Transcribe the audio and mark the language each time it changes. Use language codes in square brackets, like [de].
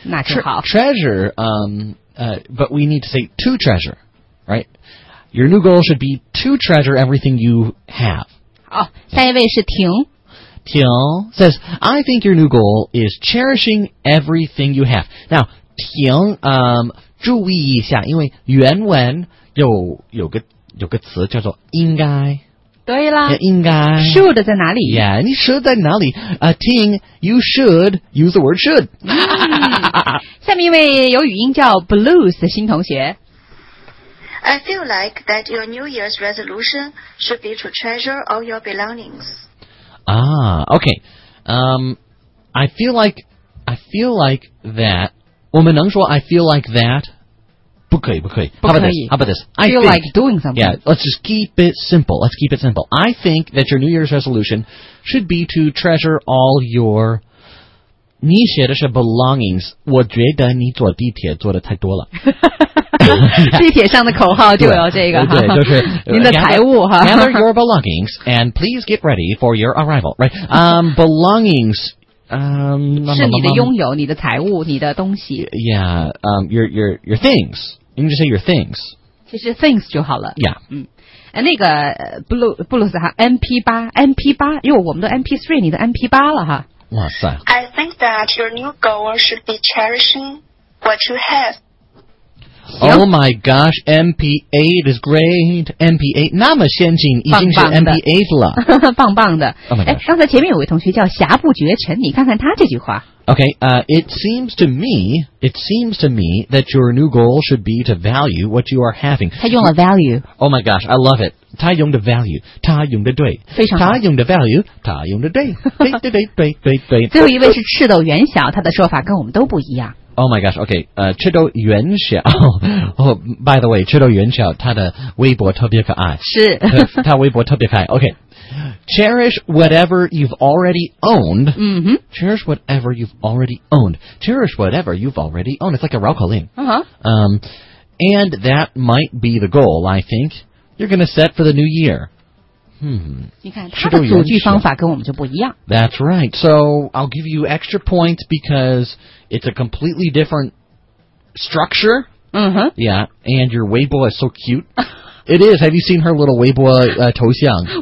[zh] 那就好。 [en] Treasure, but we need to say to treasure, right? Your new goal should be to treasure everything you have. [zh] 好，下一位是婷。 [en] 婷 says, I think your new goal is cherishing everything you have. [zh] Now, 婷，注意一下，因为原文有个词叫做应该。对啦，应该。 Should 在哪里 [en] ？Yeah, 你 should [zh] 在哪里？ [en] 听 ，you should use the word should、 [zh] 嗯。下面一位有语音叫 Blues 的新同学。 [en] I feel like that your New Year's resolution should be to treasure all your belongings. Ah, okay. I feel like that. [zh] 我们能说 [en] I feel like that。 [zh] 不可以，不可以。不可以。 [en] How about this? I feel like doing something. Yeah, let's just keep it simple. Let's keep it simple. I think that your New Year's resolution should be to treasure all your... [zh] 你写的是 belongings. 我觉得你坐地铁坐的太多了。地铁上的口号就有这个。对，就是您的财务。 [en] Gather your belongings and please get ready for your arrival. Right? Belongings... [zh] 是你的拥有，你的财物，你的东西。 [en] Yeah, your things. You can just say your things. [zh] 其实 things 就好了。 [en] Yeah. [zh] 那个 Blues 哈 ，MP8 因为我们的 MP3 你的 MP8 了哈。哇塞。 [en] I think that your new goal should be cherishing what you have. Oh my gosh, MP8 is great. MP8 [zh] 那么先进，已经是 MP8 了，棒棒的。 [en] Oh my gosh. [zh] 刚才前面有位同学叫侠不绝尘，你看看他这句话。 [en] Okay, it seems to me that your new goal should be to value what you are having. [zh] 他用了 value. [en] Oh my gosh, I love it. [zh] 他用的 value, 他用的对，非常好。他用的 value, 他用的对，对对对对对对。最后一位是赤豆元晓，他的说法跟我们都不一样。 [en] Oh my gosh, okay, 赤豆元晓 by the way, [zh] 赤豆元晓他的微博特别可爱。是。他微博特别可爱。 [en] Okay, cherish whatever you've already owned.、 Mm-hmm. Cherish whatever you've already owned. Cherish whatever you've already owned. It's like a 绕口令。 Uh-huh. And that might be the goal, I think, you're going to set for the new year. [zh] Hmm. 你看他的组句方法跟我们就不一样。 [en] That's right. So I'll give you extra points because... It's a completely different structure. Mm-hmm. Yeah, and your Weibo is so cute. It is. Have you seen her little Weibo 头像？